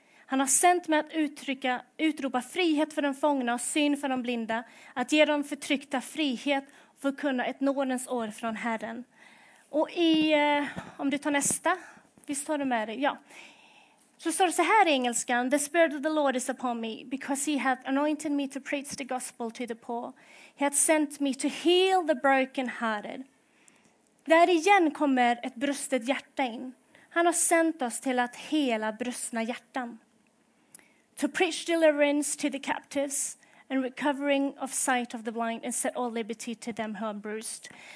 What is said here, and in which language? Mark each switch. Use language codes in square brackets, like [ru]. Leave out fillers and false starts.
[sv] Han har sänt mig att utropa frihet för de fångna och syn för de blinda. Att ge dem förtryckta frihet och förkunna ett nådens år från Herren. Och om du tar nästa, visst tar du med dig? Ja. Så står det så här i engelskan. [en] The spirit of the Lord is upon me because he hath anointed me to preach the gospel to the poor. He hath sent me to heal the broken hearted. [sv] Där igen kommer ett brustet hjärta in. Han har sänt oss till att hela brustna hjärtan. [en] To preach deliverance to the captives and recovering of sight of the blind and set all liberty to them who are bruised.